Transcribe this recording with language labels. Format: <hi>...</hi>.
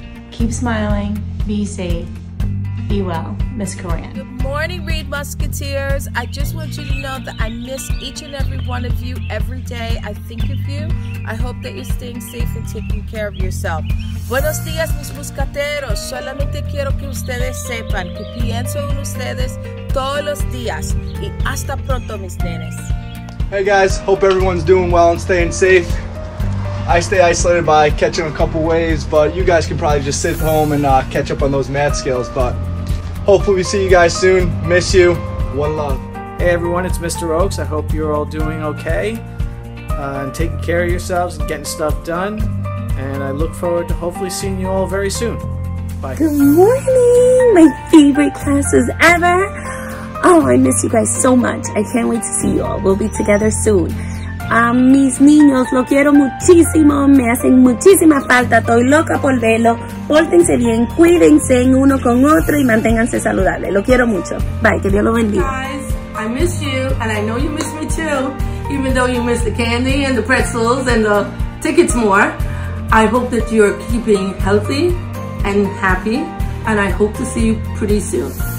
<en>Keep smiling. Be safe. Be well. Miss Coran. Good morning, Reed Musketeers. I just want you to know that I miss each and every one of you every day. I think of you. I hope that you're staying safe and taking care of yourself.</en> <es>Buenos días, mis musqueteros. Solamente quiero que ustedes sepan que pienso en ustedes todos los días. Y hasta pronto, mis nenes.</es> <en>Hey, guys. Hope everyone's doing well and staying safe. I stay isolated by catching a couple waves, but you guys can probably just sit home and catch up on those math skills. But hopefully we see you guys soon. Miss you. One love. Hey, everyone. It's Mr. Oaks. I hope you're all doing okay and taking care of yourselves and getting stuff done. And I look forward to hopefully seeing you all very soon. Bye. Good morning, my favorite classes ever. Oh, I miss you guys so much. I can't wait to see you all. We'll be together soon.</en> <es>Mis niños, lo quiero muchísimo. Me hacen muchísima falta. Estoy loca por verlo. Pórtense bien. Cuídense en uno con otro y manténganse saludables. Lo quiero mucho. Bye. Que Dios lo bendiga.</es> <en>Guys, I miss you, and I know you miss me too. Even though you miss the candy and the pretzels and the tickets more, I hope that you're keeping healthy and happy, and I hope to see you pretty soon.</en>